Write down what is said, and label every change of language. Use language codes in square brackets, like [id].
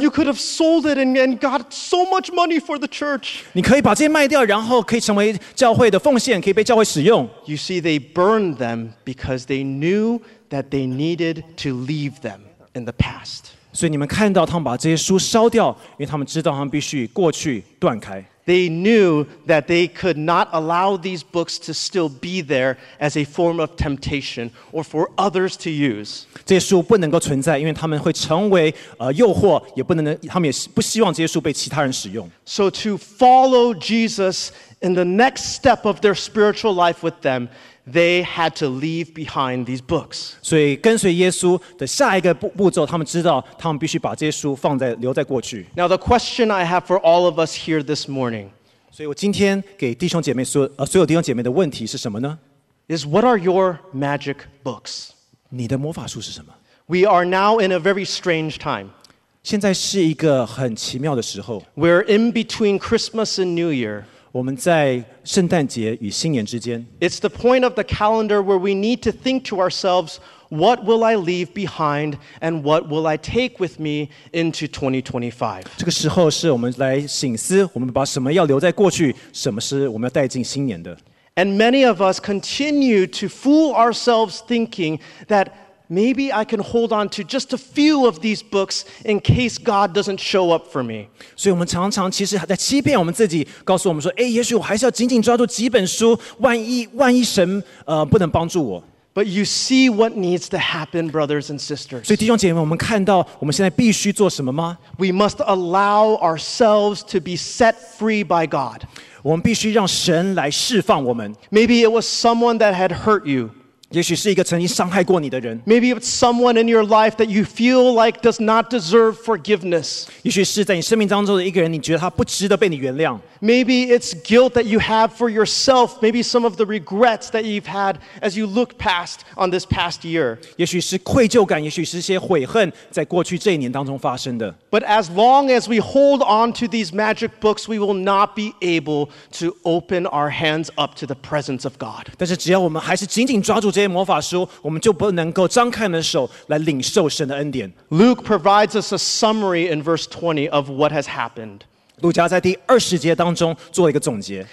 [en] You could have sold it and got so much money for the church. [zh] 你可以把这些卖掉然后可以成为教会的奉献可以被教会使用。 [en] You see, they burned them because they knew that they needed to leave them in the past. [zh] 所以你们看到他们把这些书烧掉因为他们知道他们必须与过去断开。 [en] They knew that they could not allow these books to still be there as a form of temptation or for others to use. [zh] 这些书不能够存在，因为他们会成为诱惑，也不能，他们也不希望这些书被其他人使用。 [en] So to follow Jesus in the next step of their spiritual life with them, they had to leave behind these books. [zh] 所以跟随耶稣的下一个步骤，他们知道他们必须把这些书放在留在过去。 [en] Now the question I have for all of us here this morning. [zh] 所以我今天给弟兄姐妹说，所有弟兄姐妹的问题是什么呢？ [en] Is what are your magic books? [zh] 你的魔法书是什么？ [en] We are now in a very strange time. [zh] 现在是一个很奇妙的时候。 [en] We're in between Christmas and New Year. [zh] 我们在圣诞节与新年之间。 [en] It's the point of the calendar where we need to think to ourselves, what will I leave behind and what will I take with me into 2025? [zh] 这个时候是我们来省思，我们把什么要留在过去，什么是我们要带进新年的。 [en] And many of us continue to fool ourselves thinking that maybe I can hold on to just a few of these books in case God doesn't show up for me. [zh] 所以我们常常其实在欺骗我们自己，告诉我们说，也许我还是要紧紧抓住几本书，万一神不能帮助我。 [en] But you see what needs to happen, brothers and sisters. [zh] 所以弟兄姐妹，我们看到我们现在必须做什么吗？ [en] We must allow ourselves to be set free by God. [zh] 我们必须让神来释放我们。 [en] Maybe it was someone that had hurt you. [zh] 也许是一个曾经伤害过你的人。 [en] Maybe it's someone in your life that you feel like does not deserve forgiveness. [zh] 也许是在你生命当中的一个人，你觉得他不值得被你原谅。 [en] Maybe it's guilt that you have for yourself. Maybe some of the regrets that you've had as you look past on this past year. [zh] 也许是愧疚感，也许是些悔恨，在过去这一年当中发生的。 [en] But as long as we hold on to these magic books, we will not be able to open our hands up to the presence of God. [zh] 但是只要我们还是紧紧抓住这些魔法书，我们就不能够张开我们的手来领受神的恩典。 [en] Luke provides us a summary in verse 20 of what has happened. [zh] 路加在第二十节当中做了一个总结。